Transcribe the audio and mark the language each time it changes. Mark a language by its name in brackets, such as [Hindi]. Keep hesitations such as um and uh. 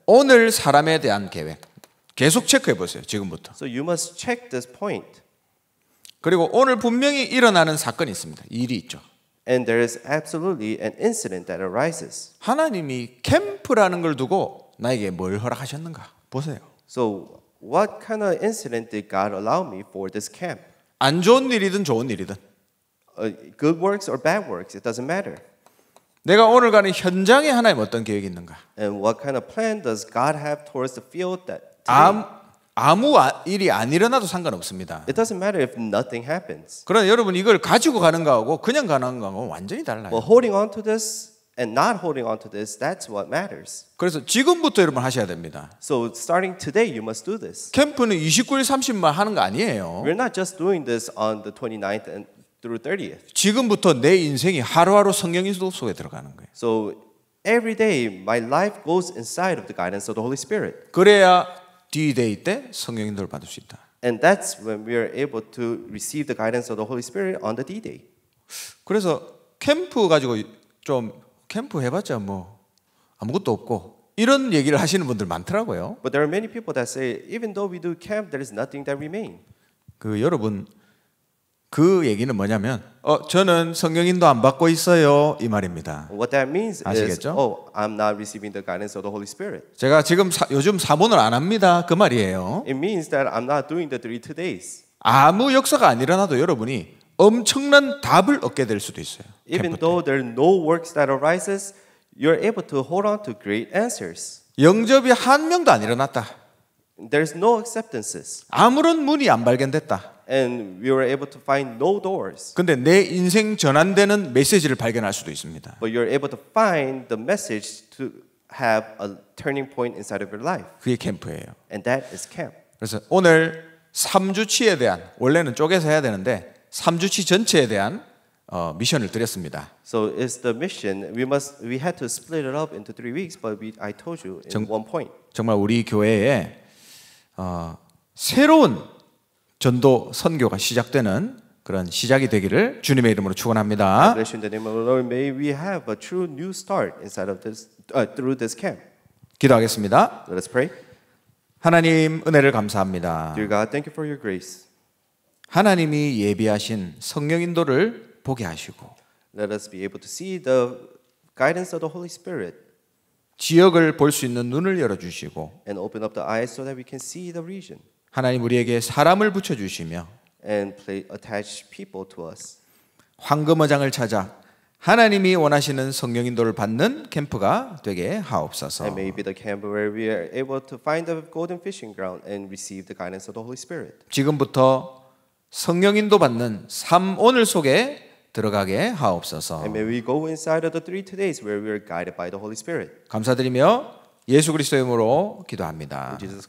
[Korean] 오늘 사람에 대한 계획 계속 체크해 보세요. 지금부터. [English] So you must check this point. [Korean] 그리고 오늘 분명히 일어나는 사건이 있습니다. 일이 있죠. [English] And there is absolutely an incident that arises. [Korean] 하나님이 캠프라는 걸 두고 나에게 뭘 허락하셨는가 보세요. [English] So what kind of incident did God allow me for this camp? [Korean] 안 좋은 일이든 좋은 일이든. [English] Good works or bad works, it doesn't matter. [Korean] 내가 오늘 가는 현장에 하나님 어떤 계획 있는가? [English] And what kind of plan does God have towards the field that? [Korean] 암 아무 일이 안 일어나도 상관없습니다. [English] It doesn't matter if nothing happens. [Korean] 그러나 여러분 이걸 가지고 가는 거하고 그냥 가는 거하고 완전히 달라요. [English] Well, holding on to this And not holding on to this, that's what matters. [Korean] 그래서 지금부터 여러분 하셔야 됩니다. [English] So starting today, you must do this. [Korean] 캠프는 29일, 30일만 하는 거 아니에요. [English] We're not just doing this on the 29th and through 30th. [Korean] 지금부터 내 인생이 하루하루 성경 인도 속에 들어가는 거예요. [English] So every day, my life goes inside of the guidance of the Holy Spirit. [Korean] 그래야 D-Day 때 성경 인도를 받을 수 있다. [English] And that's when we are able to receive the guidance of the Holy Spirit on the D-Day. [Korean] 그래서 캠프 가지고 좀 캠프 해봤자 뭐 아무것도 없고 이런 얘기를 하시는 분들 많더라고요. [English] But there are many people that say even though we do camp, there is nothing that remain. [Korean] 그 여러분 그 얘기는 뭐냐면 어 저는 성경인도 안 받고 있어요 이 말입니다. [English] What that means [Korean] 아시겠죠? [English] is, oh, I'm not receiving the guidance of the Holy Spirit. [Korean] 제가 지금 사, 요즘 사본을 안 합니다. 그 말이에요. [English] It means that I'm not doing the three today's. [Korean] 아무 역사가 안 일어나도 여러분이 엄청난 답을 얻게 될 수도 있어요. [English] Even though there are no works that arises, you're able to hold on to great answers. [Korean] 영접이 한 명도 안 일어났다. [English] There's no acceptances. [Korean] 아무런 문이 안 발견됐다. [English] And we were able to find no doors. [Korean] 근데 내 인생 전환되는 메시지를 발견할 수도 있습니다. [English] But you're able to find the message to have a turning point inside of your life. [Korean] 그게 캠프예요. [English] And that is camp. [Korean] 그래서 오늘 3주치에 대한 원래는 쪼개서 해야 되는데 3주치 전체에 대한 어, 미션을 드렸습니다. [English] So it's the mission. We must we had to split it up into three weeks, but we, I told you in 정, one point. [Korean] 정말 우리 교회에 어, 새로운 전도 선교가 시작되는 그런 시작이 되기를 주님의 이름으로 축원합니다. [English] Bless you in the name of the Lord. May we have a true new start inside of this uh, through this camp. [Korean] 기도하겠습니다. [English] Let us pray. [Korean] 하나님 은혜를 감사합니다. [English] Dear God, thank you for your grace. [Korean] 하나님이 예비하신 성령 인도를 보게 하시고 [English] Let us be able to see the guidance of the Holy Spirit. [Korean] 지역을 볼 수 있는 눈을 열어 주시고 [English] And open up the eyes so that we can see the region. [Korean] 하나님 우리에게 사람을 붙여 주시며 [English] And play, attach people to us. [Korean] 황금어장을 찾아 하나님이 원하시는 성령 인도를 받는 캠프가 되게 하옵소서. [English] And maybe the camp where we are able to find the golden fishing ground and receive the guidance of the Holy Spirit. [Korean] 지금부터 성령인도 받는 삼 오늘 속에 들어가게 하옵소서. 감사드리며 예수 그리스도의 이름으로 기도합니다.